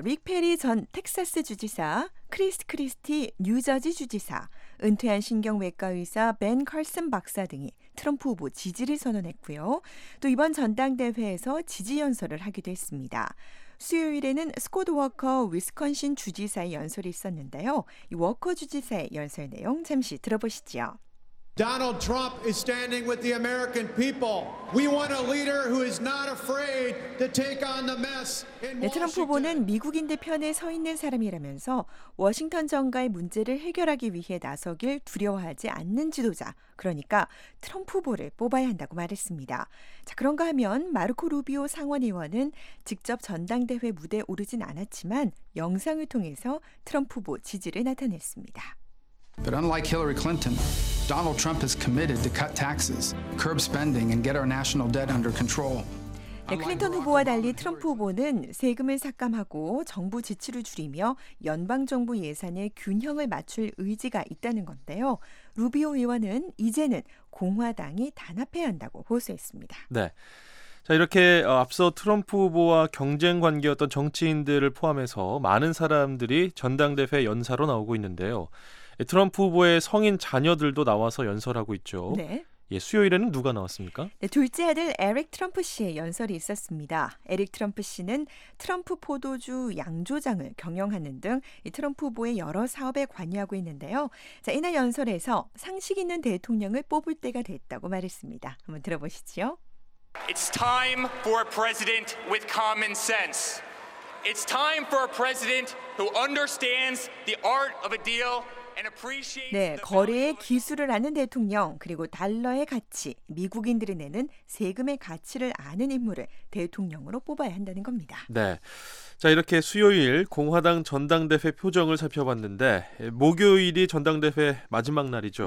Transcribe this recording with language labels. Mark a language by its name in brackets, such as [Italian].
[Korean] 릭 페리 전 텍사스 주지사, 크리스 크리스티 뉴저지 주지사, 은퇴한 신경외과 의사 벤 컬슨 박사 등이 트럼프 후보 지지를 선언했고요. 또 이번 전당대회에서 지지 연설을 하기도 했습니다. 수요일에는 스콧 워커 위스콘신 주지사의 연설이 있었는데요. 이 워커 주지사의 연설 내용 잠시 들어보시죠. [English] Donald Trump is standing with the American people. We want a leader who is not afraid to take on the mess. [Korean] 네, 트럼프 후보는 미국인들 편에 서 있는 사람이라면서 워싱턴 정가의 문제를 해결하기 위해 나서길 두려워하지 않는 지도자, 그러니까 트럼프 후보를 뽑아야 한다고 말했습니다. 자, 그런가 하면 마르코 루비오 상원의원은 직접 전당대회 무대에 오르진 않았지만 영상을 통해서 트럼프 후보 지지를 나타냈습니다. [English] But unlike Hillary Clinton, Donald Trump is committed to cut taxes, curb spending, and get our national debt under control. [Korean] 네, 클린턴 후보와 달리 트럼프 후보는 세금을 삭감하고 정부 지출을 줄이며 연방정부 예산의 균형을 맞출 의지가 있다는 건데요. 루비오 의원은 이제는 공화당이 단합해야 한다고 호소했습니다. 네. 자, 이렇게 앞서 트럼프 후보와 경쟁 관계였던 정치인들을 포함해서 많은 사람들이 전당대회 연사로 나오고 있는데요. 트럼프 후보의 성인 자녀들도 나와서 연설하고 있죠. 네. 예, 수요일에는 누가 나왔습니까? 네, 둘째 아들 에릭 트럼프 씨의 연설이 있었습니다. 에릭 트럼프 씨는 트럼프 포도주 양조장을 경영하는 등 이 트럼프 후보의 여러 사업에 관여하고 있는데요. 자, 이날 연설에서 상식 있는 대통령을 뽑을 때가 됐다고 말했습니다. 한번 들어보시죠. [English] It's time for a president with common sense. It's time for a president who understands the art of a deal. [Korean] 네, 거래의 기술을 아는 대통령, 그리고 달러의 가치, 미국인들이 내는 세금의 가치를 아는 인물을 대통령으로 뽑아야 한다는 겁니다. 네, 자 이렇게 수요일 공화당 전당대회 표정을 살펴봤는데 목요일이 전당대회 마지막 날이죠.